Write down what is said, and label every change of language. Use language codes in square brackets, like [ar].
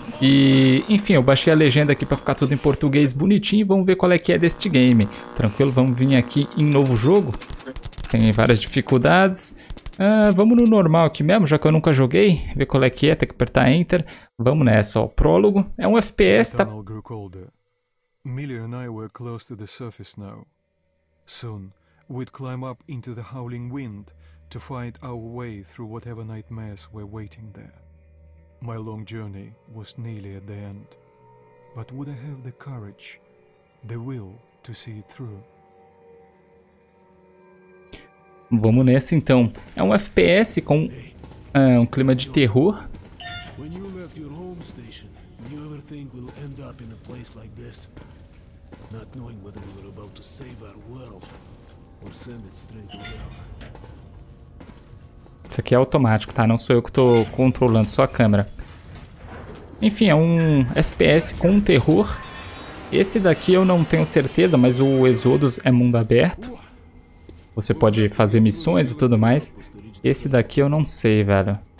[pt] E, enfim, eu baixei a legenda aqui para ficar tudo em português bonitinho. Vamos ver qual é que é deste game. Tranquilo, vamos vir aqui em novo jogo. Tem várias dificuldades. Ah, vamos no normal aqui mesmo, já que eu nunca joguei. Ver qual é que é, tem que apertar Enter. Vamos nessa, ó. Prólogo. É um [en] The [pt] FPS, tá? [en] tunnel grew colder. Millie and I were close to the surface now. Soon, we'd climb up into the howling wind to find our way through whatever nightmares were waiting there. My long journey was nearly at the end. But would I have the courage, the will to see it through? [pt] Vamos nessa então. É um FPS com um clima de terror. [en] When you left your home station, did you ever think we'll end up in a place like this? Not knowing whether we were about to save our world or send it straight to hell. [pt] Isso aqui é automático, tá? Não sou eu que tô controlando sua câmera. Enfim, é um FPS com terror. Esse daqui eu não tenho certeza, mas o Exodus é mundo aberto. Você pode fazer missões e tudo mais. Esse daqui eu não sei, velho.